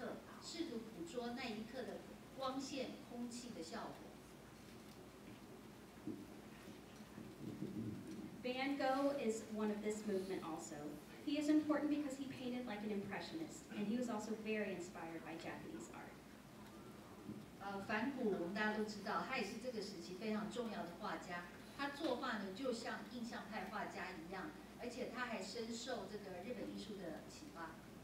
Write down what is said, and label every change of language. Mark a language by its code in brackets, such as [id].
[zh] 印象派运动，画家们呢，他们用油画，就像水彩画家一样，快速的画出瞬间的那一刻，试图捕捉那一刻的。 [en] Van Gogh is one of this movement also. He is important because he painted like an impressionist, and he was also very inspired by Japanese art. [zh] 梵谷，我们大家都知道，他也是这个时期非常重要的画家。他作画呢，就像印象派画家一样，而且他还深受这个日本艺术的启发。